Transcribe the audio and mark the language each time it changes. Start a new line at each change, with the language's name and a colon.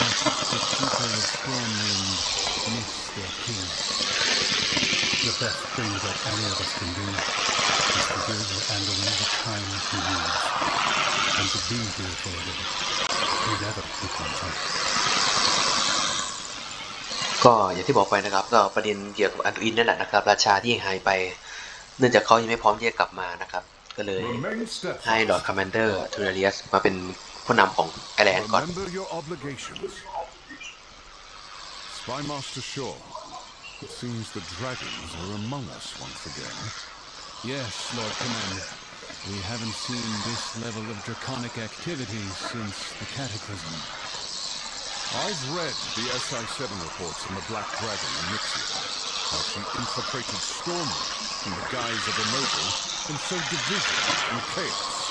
English: But the people of Stormwind miss their king. The best thing that any of us can do is to give Anduin the time he needs, and to be here for him, whenever he comes home.
Thai: ก็อย่างที่บอกไปนะครับก็ประเด็นเกี่ยวกับอันดูอินนั่นแหละนะครับราชาที่หายไปเนื่องจากเขายังไม่พร้อมที่จะกลับมานะครับก็เลยให้ลอร์ดคอมมานเดอร์ทูเรียสมาเป็นผู้นำของไอแลนด์ก่อนสไปมาสเตอร์ชอร์
English: It seems the dragons are among us once again. Yes, Lord Commander. We haven't seen this level of draconic activity since the cataclysmI've read the SI-7 reports on the Black Dragon, Amixia, how she infiltrated Stormwind in the guise of a noble and sowed division and chaos.